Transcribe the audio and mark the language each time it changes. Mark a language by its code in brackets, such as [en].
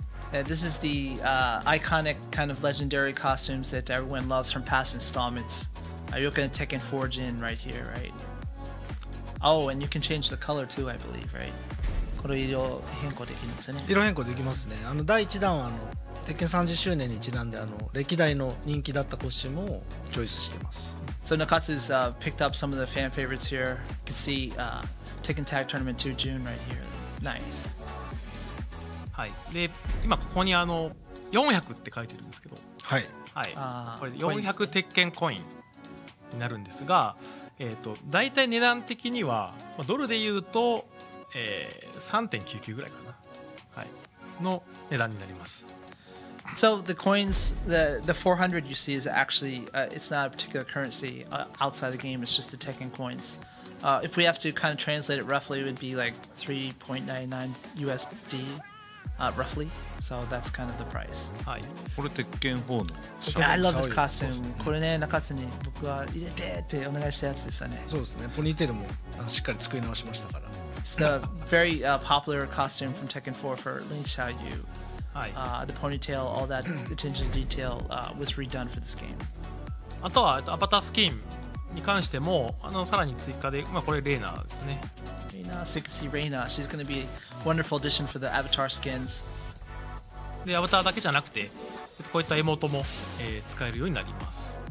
[en] This is the iconic kind of legendary costumes that everyone loves from past installments. Are you looking at Tekken 4 Jin right here, right? Oh, and you can change the color too, I believe, right? [ja] これ色変更できますね。色変更できますね。あの第1弾はあの鉄拳30周年にちなんで、あの歴代の人気だったコスチュームをチョイスしてます。 [en] So Nakatsu has picked up some of the fan favorites here. You can see Tekken Tag Tournament 2 June right here. Nice. [ja] はい。で、今ここにあの400って書いてるんですけど。はい。はい。これ400鉄拳コインになるんですが、大体値段的にはドルで言うと。3.99 ぐらいかな。の値段になります。 [en] So the coins, the 400 you see is actually, it's not a particular currency outside the game, it's just the Tekken coins. If we have to kind of translate it roughly, it would be like 3.99 USD, roughly. So that's kind of the price. [ja] はい。これ鉄拳4の。 [en] Yeah, I love this costume. [ja] これね、中津に僕は入れてってお願いしたやつですよね。そうですね。ポニーテールもしっかり作り直しましたから。 [en] It's the very popular costume from Tekken 4 for Lin Xiaoyu. The ponytail, all that attention to detail was redone for this game. [ja] あとはアバタースキンに関してもさらに追加で、まあ、これレイナーですね。 [en] レイナー、so you can see Reina. She's going to be a wonderful addition for the avatar skins. [ja] で、アバターだけじゃなくて、こういったエモートも、使えるようになります。